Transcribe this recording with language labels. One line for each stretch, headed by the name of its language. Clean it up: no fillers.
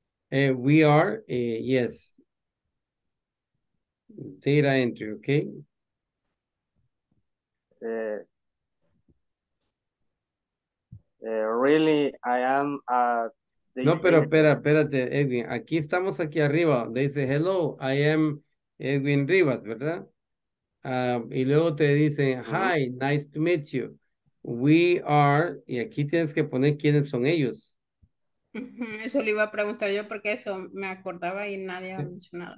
English: We are, yes. data entry, okay? Really, I am
Spanish: No, pero espera, espérate, Edwin. Aquí estamos aquí arriba. Le dice,
English: hello, I am Edwin Rivas,
Spanish: ¿verdad? Y luego te dicen,
English: hi, nice to meet you. We are,
Spanish: y aquí tienes que poner quiénes son ellos. Eso le iba a preguntar yo porque eso me acordaba y nadie ha mencionado.